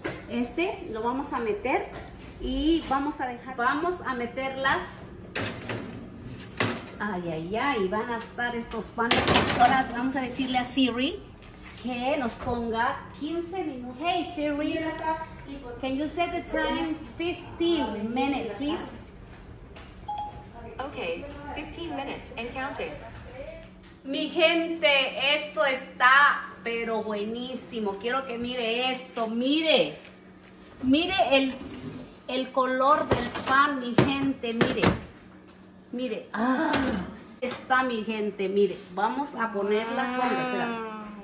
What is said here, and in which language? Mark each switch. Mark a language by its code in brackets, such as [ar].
[es] Este lo vamos a meter y vamos a dejar. Vamos a meterlas. Ay, ay, ay. Van a estar estos panes. Ahora vamos a decirle a Siri que nos ponga 15 minutos. [en] Hey, Siri. Can you set the time 15 minutes, please? Okay, 15 minutes and counting. [es] Mi gente, esto está pero buenísimo. Quiero que mire esto, mire. Mire el color del pan, mi gente, mire. Mire, ah, está, mi gente, mire. Vamos a ponerlas, ¿dónde? Espérame.